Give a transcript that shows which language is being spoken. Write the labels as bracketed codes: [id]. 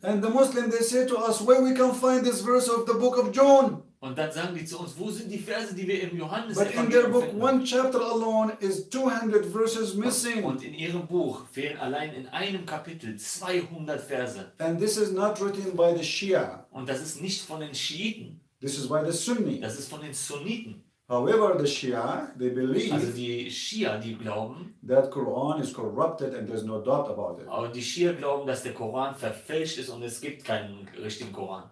[en] And the Muslim, they say to us, where we can find this verse of the book of John? [de] Und dann sagen die zu uns, wo sind die Verse, die wir im Johannes finden? [en] But in their book, one chapter alone is 200 verses missing. [de] Und in ihrem Buch fehlen allein in einem Kapitel 200 Verse. [en] And this is not written by the Shia. [de] Und das ist nicht von den Schiiten. [en] This is by the Sunni. [de] Das ist von den Sunniten. [en] However, the Shia, they believe. [de] Also die Shia, die glauben. [en] That Quran is corrupted and there's no doubt about it. [de] Aber die Shia glauben, dass der Koran verfälscht ist und es gibt keinen richtigen Koran.